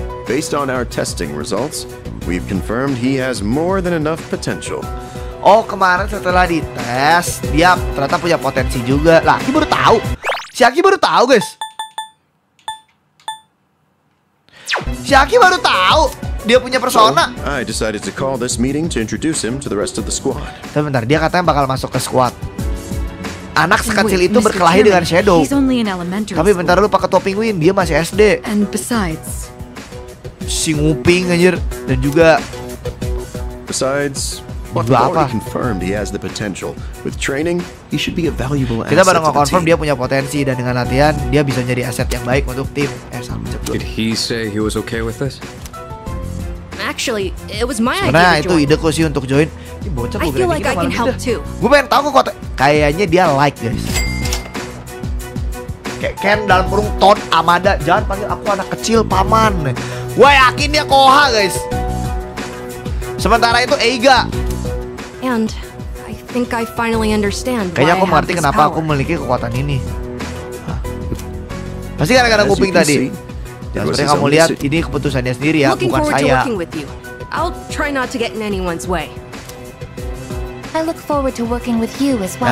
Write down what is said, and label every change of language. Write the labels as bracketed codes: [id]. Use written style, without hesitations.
[en] Based on our testing results, we've confirmed he has more than enough potential. [id] Oh kemarin setelah dites, dia ternyata punya potensi juga. Lah, Aki baru tahu. Si Aki baru tahu, guys. Si Aki baru tahu dia punya persona. [en] So, I decided to call this meeting to introduce him to the rest of the squad. [id] Sebentar, dia katanya bakal masuk ke squad. Anak sekecil itu berkelahi dengan Shadow. Tapi bentar lu pakai topi Win, dia masih SD. [en] And besides, [id] si Nguping anjir dan juga [en] besides. [id] Apa? [en] Confirmed he has the potential. With training, he should be a valuable asset. [id] Kita baru nge-confirm dia punya potensi dan dengan latihan dia bisa jadi aset yang baik untuk tim. [en] Did he say he was okay with this? Actually, it was my idea. [id] Itu ideku sih untuk join. Bocor gue kayaknya bisa [en] help too. [id] Gue pengen tahu kok kayaknya dia like, guys. Kayak Ken dalam kurung Todd Amada, jangan panggil aku anak kecil, paman. Gue yakin dia Koha, guys. Sementara itu Eiga. [en] And I think I finally understand. [id] Kayaknya aku mengerti kenapa aku memiliki kekuatan ini. Pasti gara-gara Nguping tadi. Jadi kamu lihat ini keputusannya sendiri ya, bukan saya. [en] I'll try not to get in anyone's way. I look forward to working with you as well.